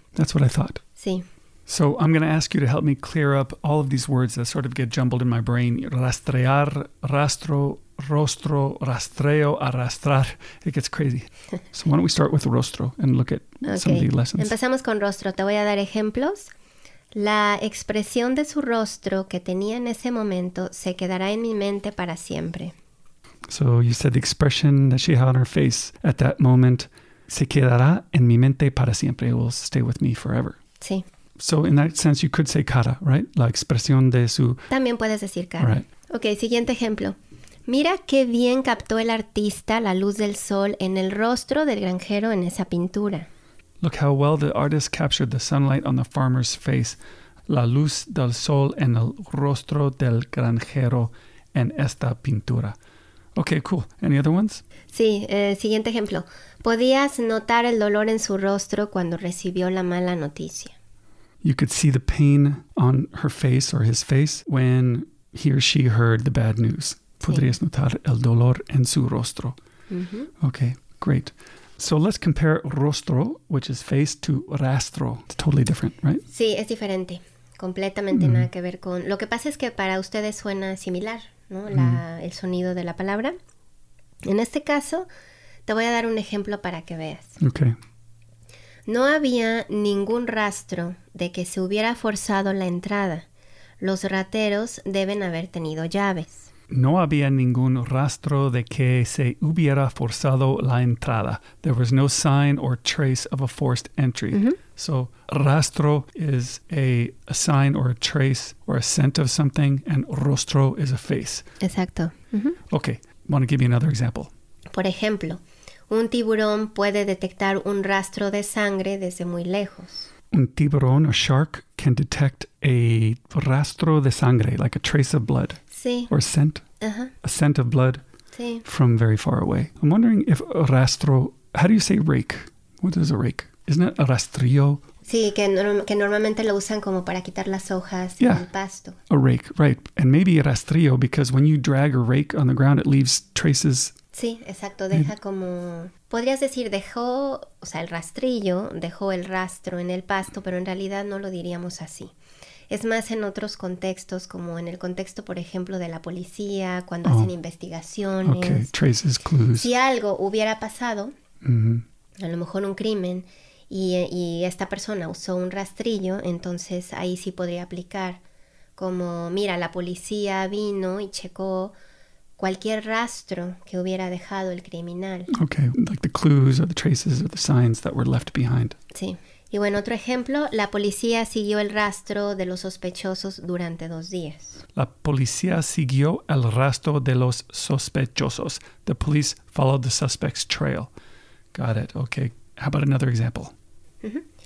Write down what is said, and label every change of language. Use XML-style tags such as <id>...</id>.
<en>That's what I thought.</en> <es>Sí.</es> <en>So I'm going to ask you to help me clear up all of these words that sort of get jumbled in my brain.</en> <es>Rastrear, rastro, rostro, rastreo, arrastrar.</es> <en>It gets crazy. So why don't we start with rostro and look at some of the lessons.</en> <es>Empezamos con rostro. Te voy a dar ejemplos. La expresión de su rostro que tenía en ese momento se quedará en mi mente para siempre.</es> <en>So you said the expression that she had on her face at that moment...</en> <es>Se quedará en mi mente para siempre.</es> <en>It will stay with me forever.</en> <es>Sí.</es> <en>So in that sense, you could say cara, right?</en> <es>La expresión de su... También puedes decir cara.</es> <en>Right.</en> <es>Okay, siguiente ejemplo. Mira qué bien captó el artista la luz del sol en el rostro del granjero en esa pintura.</es> <en>Look how well the artist captured the sunlight on the farmer's face.</en> <es>La luz del sol en el rostro del granjero en esta pintura.</es> <en>Okay, cool. Any other ones?</en> <es>Sí, siguiente ejemplo. Podías notar el dolor en su rostro cuando recibió la mala noticia.</es> <en>You could see the pain on her face or his face when he or she heard the bad news.</en> <es>Sí. Podrías notar el dolor en su rostro. Mm-hmm.</es> <en>Okay, great. So let's compare rostro, which is face, to rastro. It's totally different, right?</en> <es>Sí, es diferente. Completamente nada que ver con... Lo que pasa es que para ustedes suena similar, ¿no? El sonido de la palabra. En este caso, te voy a dar un ejemplo para que veas.</es> <en>Ok.</en> <es>No había ningún rastro de que se hubiera forzado la entrada. Los rateros deben haber tenido llaves. No había ningún rastro de que se hubiera forzado la entrada.</es> <en>There was no sign or trace of a forced entry. Mm-hmm. So, rastro is a sign or a trace or a scent of something, and rostro is a face.</en> <es>Exacto. Mm-hmm.</es> <en>Okay, want to give you another example.</en> <es>Por ejemplo, un tiburón puede detectar un rastro de sangre desde muy lejos. Un tiburón,</es> <en>a shark, can detect a</en> <es>rastro de sangre,</es> <en>like a trace of blood.</en> <es>Sí.</es> <en>Or scent, uh-huh. A scent of blood</en> <es>sí.</es> <en>from very far away. I'm wondering if rastro, how do you say rake? What is a rake? Isn't it a rastrillo?</en> <es>Sí, que normalmente lo usan como para quitar las hojas y el pasto.</es> <en>A rake, right. And maybe a rastrillo, because when you drag a rake on the ground, it leaves traces.</en> <es>Sí, exacto. Deja como, podrías decir dejó, o sea, el rastrillo dejó el rastro en el pasto, pero en realidad no lo diríamos así. Es más en otros contextos, como en el contexto, por ejemplo, de la policía, cuando hacen investigaciones.</es> <en>Okay, traces, clues.</en> <es>Si algo hubiera pasado, a lo mejor un crimen, y esta persona usó un rastrillo, entonces ahí sí podría aplicar. Como, mira, la policía vino y checó cualquier rastro que hubiera dejado el criminal.</es> <en>Okay, like the clues or the traces or the signs that were left behind.</en> <es>Sí. Y bueno, otro ejemplo, la policía siguió el rastro de los sospechosos durante 2 días. La policía siguió el rastro de los sospechosos.</es> <en>The police followed the suspect's trail. Got it. Okay. How about another example? Uh-huh.</en>